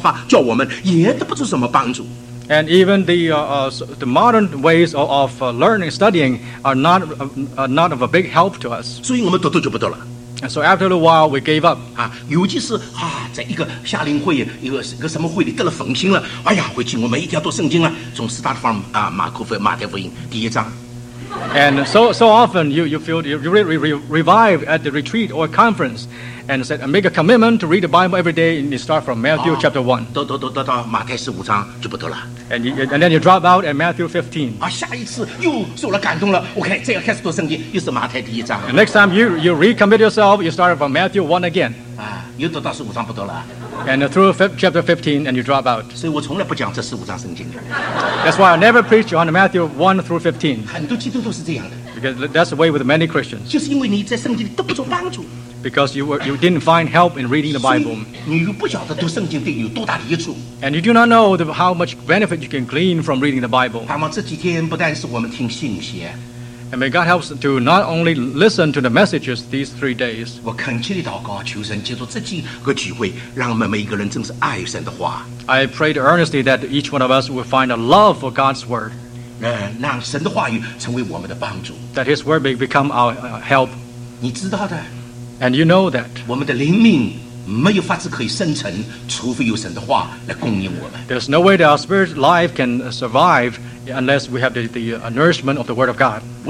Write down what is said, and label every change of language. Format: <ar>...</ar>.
<zh>就是现在经过这一些机械式的一种读圣经的方法，叫我们也得不出什么帮助。</zh> <en>And even the modern ways of learning, studying are not of a big help to us.</en> <zh>所以我们读就不读了。</zh> <en>So after a while, we gave up.</en> <zh>尤其是在一个夏令会，一个什么会里得了奉星了，哎呀，回去我们一定要读圣经了，从马太福音第一章。</zh> <en>And so often you feel revived at the retreat or conference, and said make a commitment to read the Bible every day, and you start from Matthew chapter 1.</en> <zh>读到马太十五章就不读了。</zh> <en>And then you drop out at Matthew 15.</en> <zh>下一次又受了感动了， OK， 这要开始读圣经，又是马太第一章。</zh> <en>And next time you recommit yourself, you start from Matthew 1 again.</en> <zh>又读到十五章不读了。</zh> <en>And through chapter 15, and you drop out.</en> <zh>所以我从来不讲这十五章圣经。</zh> <en>That's why I never preach on Matthew 1 through 15.</en> <zh>很多基督徒都是这样的。</zh> <en>Because that's the way with many Christians.</en> <zh>就是因为你在圣经里得不到帮助。</zh> <en>Because you didn't find help in reading the Bible.</en> <zh>所以你不晓得读圣经对你有多大的益处。</zh> <en>And you do not know how much benefit you can glean from reading the Bible.</en> <zh>盼望这几天不但是我们听信息。</zh> <en>And may God help us to not only listen to the messages these 3 days.</en> <zh>我恳切地祷告，求神借助这几个聚会，让我们每一个人真是爱神的话。</zh> <en>I pray earnestly that each one of us will find a love for God's word.</en> <zh>让神的话语成为我们的帮助。</zh> <en>That His word may become our help.</en> <zh>你知道的。</zh> <en>And you know that.</en> <zh>我们的灵命没有法子可以生成，除非有神的话来供应我们。</zh> <en>There's no way that our spirit life can survive unless we have the nourishment of the Word of God.</en>